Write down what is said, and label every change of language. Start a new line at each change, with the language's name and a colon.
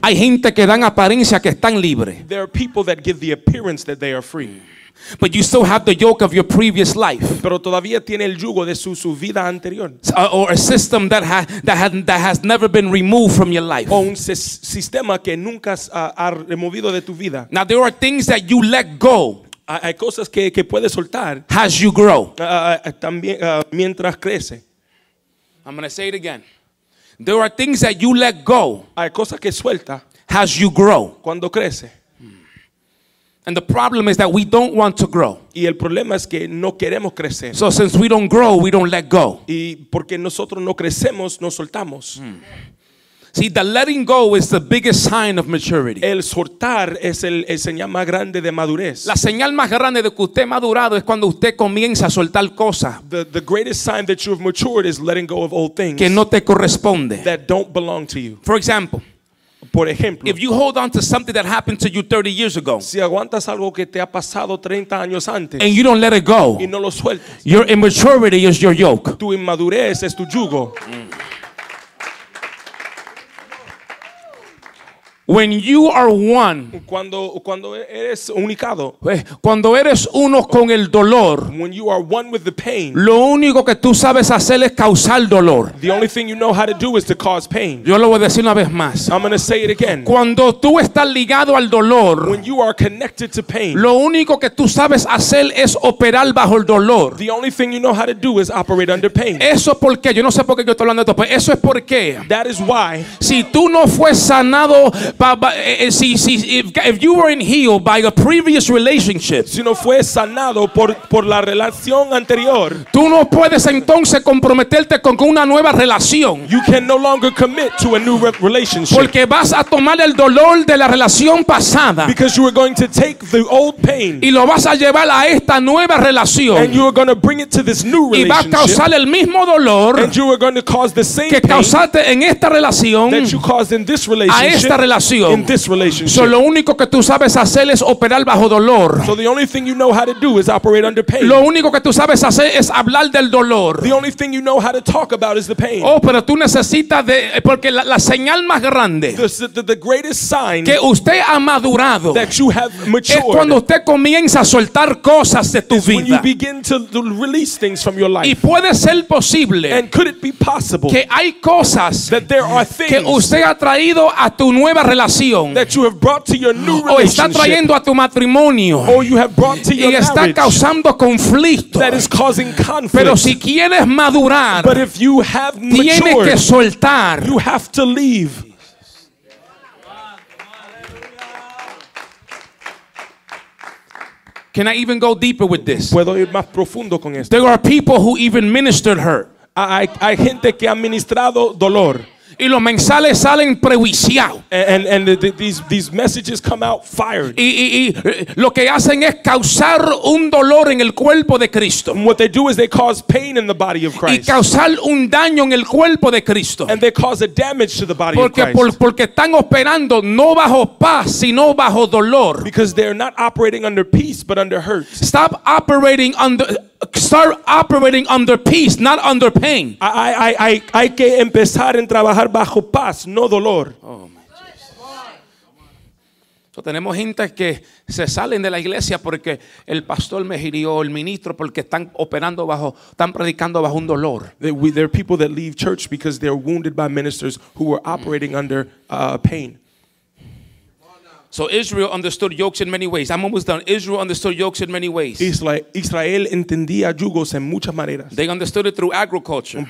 Spanish: hay gente que dan apariencia que están libres.
English: There are people that give the appearance that they are free. But you still have the yoke of your previous life.
Spanish: Pero todavía tiene el yugo de su vida anterior.
English: Or a system that has never been removed from your life.
Spanish: O un sistema que nunca ha removido de tu vida.
English: Now there are things that you let go.
Spanish: Hay cosas que puedes soltar.
English: As you grow.
Spanish: También mientras crece.
English: I'm going to say it again. There are things that you let go.
Spanish: Hay cosas que suelta.
English: As you grow.
Spanish: Cuando crece.
English: And the problem is that we don't want to grow.
Spanish: Y el problema es que no queremos crecer.
English: So since we don't grow, we don't let go.
Spanish: Y porque nosotros no crecemos, no soltamos.
English: See, the letting go is the biggest sign of maturity.
Spanish: El soltar es el señal más grande de madurez. La señal más grande de que usted ha madurado es cuando usted comienza a soltar cosas.
English: The greatest sign that you've matured is letting go of old things.
Spanish: Que no te corresponde.
English: That don't belong to you. For example.
Spanish: Por ejemplo,
English: if you hold on to something that happened to you 30 years ago,
Spanish: si aguantas algo que te ha pasado 30 años antes,
English: and you don't let it go,
Spanish: y no lo sueltas,
English: your immaturity is your yoke.
Spanish: Tu inmadurez es tu yugo.
English: When you are one,
Spanish: cuando eres unicado, cuando eres uno con el dolor,
English: when you are one with the pain,
Spanish: lo único que tú sabes hacer es causar dolor.
English: The only thing you know how to do is to cause pain.
Spanish: Yo lo voy a decir una vez más.
English: I'm going to say it again.
Spanish: Cuando tú estás ligado al dolor,
English: when you are connected to pain,
Spanish: lo único que tú sabes hacer es operar bajo el dolor.
English: The only thing you know how to do is operate under pain.
Spanish: Eso es porque yo no sé por qué yo estoy hablando de esto, pero eso es porque.
English: That is why.
Spanish: Si tú no fues sanado.
English: But see, if you weren't healed by a previous relationship,
Spanish: si no fue sanado por la relación anterior, tú no puedes entonces comprometerte con una nueva relación.
English: You can no longer commit to a new relationship.
Spanish: Porque vas a tomar el dolor de la relación pasada.
English: Because you are going to take the old pain.
Spanish: Y lo vas a llevar a esta nueva relación.
English: And you are going to bring it to this new relationship.
Spanish: Y va a causar el mismo dolor.
English: And you are going to cause the same
Spanish: que causaste
English: pain
Spanish: en esta relación.
English: That you caused in this relationship.
Spanish: A esta relación.
English: In this relationship.
Spanish: So lo único que tú sabes hacer es operar bajo dolor.
English: So the only thing you know how to do is operate under pain.
Spanish: Lo único que tú sabes hacer es hablar del dolor.
English: The only thing you know how to talk about is the pain.
Spanish: Oh, pero tú necesitas de porque la señal más grande.
English: The greatest sign
Spanish: que usted ha madurado.
English: That you have matured.
Spanish: Es cuando usted comienza a soltar cosas de tu vida.
English: When you begin to release things from your life.
Spanish: Y puede ser posible.
English: And could it be possible
Spanish: que hay cosas
English: that there are things
Spanish: que usted ha traído a tu nueva relación
English: that you have brought to your new
Spanish: o está trayendo a tu matrimonio
English: you have brought to your
Spanish: y está
English: marriage,
Spanish: causando conflicto
English: that is causing conflict.
Spanish: Pero si quieres madurar
English: but if you have matured,
Spanish: tienes que soltar
English: you have to leave. Can I even go deeper with this?
Spanish: ¿Puedo ir más profundo con esto?
English: There are people who even ministered hurt.
Spanish: Hay gente que ha ministrado dolor. Y los mensales salen prejuiciados.
English: And these messages come out fired.
Spanish: Y lo que hacen es causar un dolor en el cuerpo de Cristo.
English: And what they do is they cause pain in the body of Christ.
Spanish: Y causar un daño en el cuerpo de Cristo.
English: And they cause a damage to the body
Spanish: porque,
English: of Christ.
Spanish: Porque están operando no bajo paz, sino bajo dolor.
English: Because they're not operating under peace, but under hurt. Start operating under peace, not under pain.
Spanish: I hay que empezar en trabajar bajo paz, no dolor.
English: Oh my Jesus.
Spanish: So tenemos gente que se salen de la iglesia porque el pastor me hirió, el ministro porque están predicando bajo un dolor.
English: There are people that leave church because they're wounded by ministers who were operating under pain. So Israel understood yokes in many ways. I'm almost done. Israel understood yokes in many ways.
Spanish: Israel entendía yugos en muchas maneras.
English: They understood it through agriculture.